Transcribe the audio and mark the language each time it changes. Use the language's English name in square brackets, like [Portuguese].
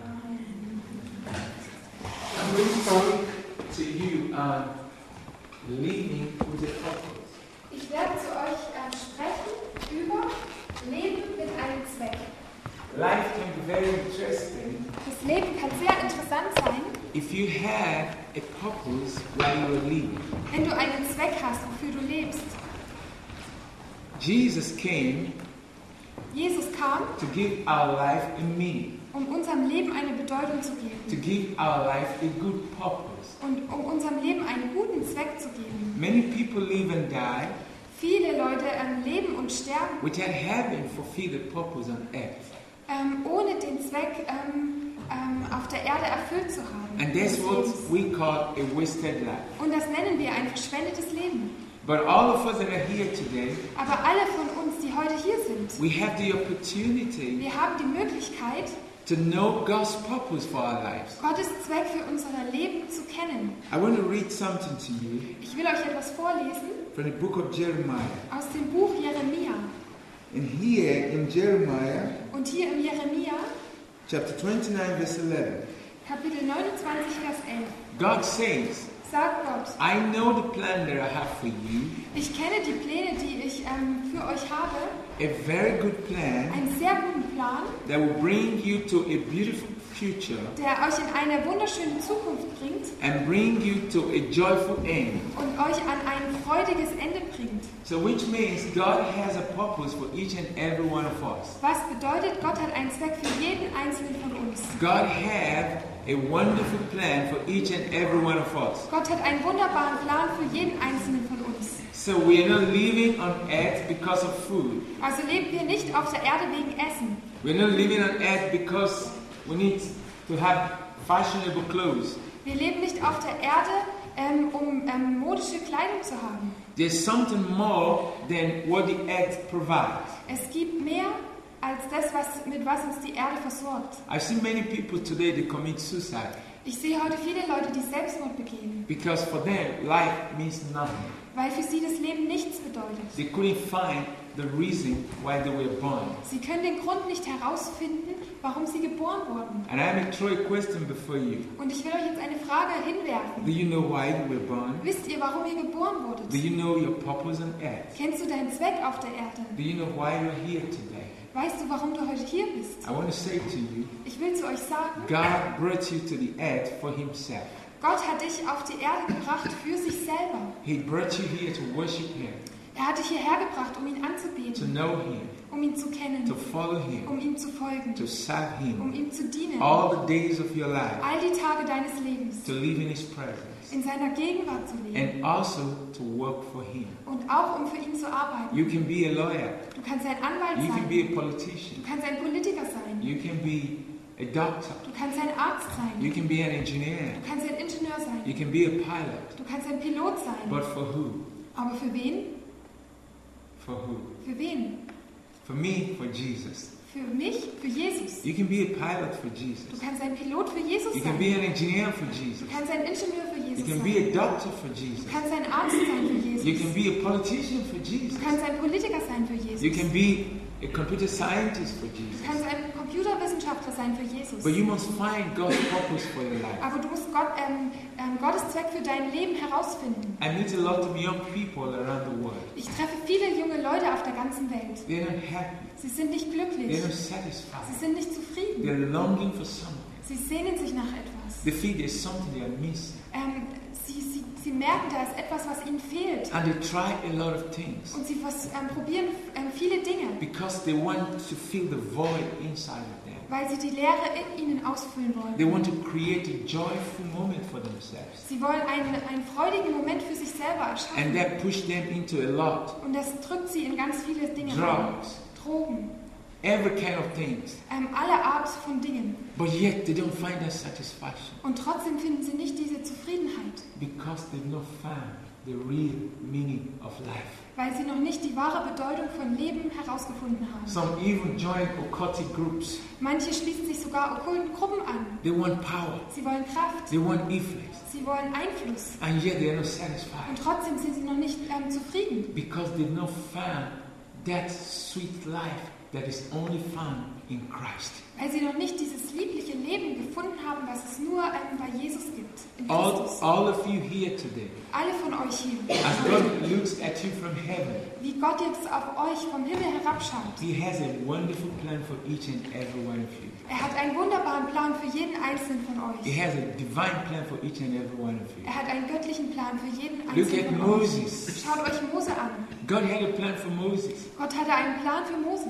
[English] I'm really sorry to you leading with a purpose. [German] Ich werde zu euch sprechen über Leben mit einem Zweck. [English] Life can be very interesting. [German] Das Leben kann sehr interessant sein. [English] If you have a purpose while you are living. [German] Wenn du einen Zweck hast, wofür du lebst. [English] Jesus came. [German] Jesus kam, [English] to give our life a meaning, [German] um unserem Leben eine Bedeutung zu geben. [English] To give our life a good purpose. [German] Und um unserem Leben einen guten Zweck zu geben. [English] Many people live and die. [German] Viele Leute leben und sterben. [English] Without having fulfilled the purpose on earth. [German] Ohne den Zweck auf der Erde erfüllt zu haben. [English] And that's what we call a wasted life. [German] Und das nennen wir ein verschwendetes Leben. [English] But all of us that are here today, [German] aber alle von uns, die heute hier sind, [English] we have the opportunity, [German] wir haben die Möglichkeit, [English] to know God's purpose for our lives. [German] Gottes Zweck für unser Leben zu kennen. [English] I want to read something to you. [German] Ich will euch etwas vorlesen. [English] From the book of Jeremiah. [German] Aus dem Buch Jeremia. [English] And here in Jeremiah. [German] Und hier im Jeremia. [English] Chapter 29, verse 11. [German] Kapitel 29, Vers 11. [English] God says. [German] Sag Gott, [English] I know the plan that I have for you. [German] Ich kenne die Pläne, die ich für euch habe. [English] A very good plan. [German] Ein sehr guten Plan. [English] That will bring you to a beautiful future. [German] Der euch in eine wunderschöne Zukunft bringt. [English] And bring you to a joyful end. [German] Und euch an ein freudiges Ende bringt. [English] So which means God has a purpose for each and every one of us. [German] Was bedeutet, Gott hat einen Zweck für jeden einzelnen von uns. [English] God have a wonderful plan for each and every one of us. [German] Gott hat einen wunderbaren Plan für jeden einzelnen von uns. [English] So we are not living on earth because of food. [German] Also leben wir nicht auf der Erde wegen Essen. [English] We are not living on earth because we need to have fashionable clothes. [German] Wir leben nicht auf der Erde, modische Kleidung zu haben. [English] There's something more than what the earth provides. [German] Es gibt mehr als das, was, mit was uns die Erde versorgt. [English] I see many people today that commit suicide. [German] Ich sehe heute viele Leute, die Selbstmord begehen. [English] Because for them, life means nothing. [German] Weil für sie das Leben nichts bedeutet. [English] They couldn't find the reason why they were born. [German] Sie können den Grund nicht herausfinden, warum sie geboren wurden. [English] And I'm going to throw a question before you. [German] Und ich will euch jetzt eine Frage hinwerfen. [English] Do you know why you were born? [German] Wisst ihr, warum ihr geboren wurdet? [English] Do you know your purpose on earth? [German] Kennst du deinen Zweck auf der Erde? [English] Do you know why you're here today? [German] Weißt du, warum du heute hier bist? [English] I want to say to you, [German] ich will zu euch sagen, [English] God brought you to the earth for himself. [German] Gott hat dich auf die Erde gebracht für sich selber. [English] He brought you here to worship him. [German] Er hat dich hierher gebracht, um ihn anzubeten. [English] To know him. [German] Um ihn zu kennen. [English] To follow him. [German] Um ihm zu folgen. [English] To serve him. [German] Um ihm zu dienen. [English] All the days of your life. [German] All die Tage deines Lebens. [English] To live in his presence. [German] In seiner Gegenwart zu leben. [English] And also to work for him. [German] Und auch um für ihn zu arbeiten. [English] You can be a lawyer. [German] Du kannst ein Anwalt [English] you [German] sein. [English] Can be a politician. [German] Du kannst ein Politiker sein. [English] You can be a doctor. [German] Du kannst ein Arzt sein. [English] You can be an engineer. [German] Du kannst ein Ingenieur sein. [English] You can be a pilot. [German] Du kannst ein Pilot sein. [English] But for who? [German] Aber für wen? [English] For who? [German] Für wen? [English] For me, for Jesus. [German] Für mich, für Jesus. [English] You can be a pilot for Jesus. [German] Du kannst ein Pilot für Jesus sein. [English] You can be an engineer for Jesus. [German] Du kannst ein Ingenieur für Jesus [English] you can [German] sein. [English] Be a doctor for Jesus. [German] Du kannst ein Arzt sein für Jesus. [English] You can be a politician for Jesus. [German] Du kannst ein Politiker sein für Jesus. [English] You can be a computer scientist for Jesus. [German] Du kannst ein Computerwissenschaftler sein für Jesus. [English] But you must find God's purpose for your life. [German] Aber du musst Gott, Gottes Zweck für dein Leben herausfinden. [English] I meet a lot of young people around the world. [German] Ich treffe viele junge Leute auf der ganzen Welt. [English] They are happy. [German] Sie sind nicht glücklich. [English] They are satisfied. [German] Sie sind nicht zufrieden. [English] They are longing for something. [German] Sie sehnen sich nach etwas. [English] They feel there is something they are missing. [German] Sie merken, da ist etwas, was ihnen fehlt. [English] And they try a lot of things. [German] Und sie probieren viele Dinge. [English] Because they want to fill the void inside of them. [German] Weil sie die Leere in ihnen ausfüllen wollen. [English] They want to create a joyful moment for themselves. [German] Sie wollen einen freudigen Moment für sich selber erschaffen. [English] And that push them into a lot. [German] Und das drückt sie in ganz viele Dinge. [English] Drugs. [German] Drogen. [English] Every kind of things. [German] Alle Arten von Dingen. [English] But yet they don't find that satisfaction. [German] Und trotzdem finden sie nicht diese Zufriedenheit. [English] Because they've not found the real meaning of life. [German] Weil sie noch nicht die wahre Bedeutung von Leben herausgefunden haben. [English] Some even join occultic groups. [German] Manche schließen sich sogar okkulten Gruppen an. [English] They want power. [German] Sie wollen Kraft. [English] They want influence. [German] Sie wollen Einfluss. [English] And yet they are not satisfied. [German] Und trotzdem sind sie noch nicht zufrieden. [English] Because they've not found that sweet life. That is only found in Christ. [German] Weil sie noch nicht dieses liebliche Leben gefunden haben, was es nur bei Jesus gibt. [English] All of you here today. [German] Alle von euch hier. [English] As God looks at you from heaven. [German] Wie Gott jetzt auf euch vom Himmel herabschaut. [English] He has a wonderful plan for each and every one of you. [German] Er hat einen wunderbaren Plan für jeden einzelnen von euch. [English] He has a divine plan for each and every one of you. [German] Er hat einen göttlichen Plan für jeden einzelnen [English] Look at [German] von [English] Moses. [German] Euch. Schaut euch Mose an. [English] God had a plan for Moses. [German] Gott hatte einen Plan für Moses.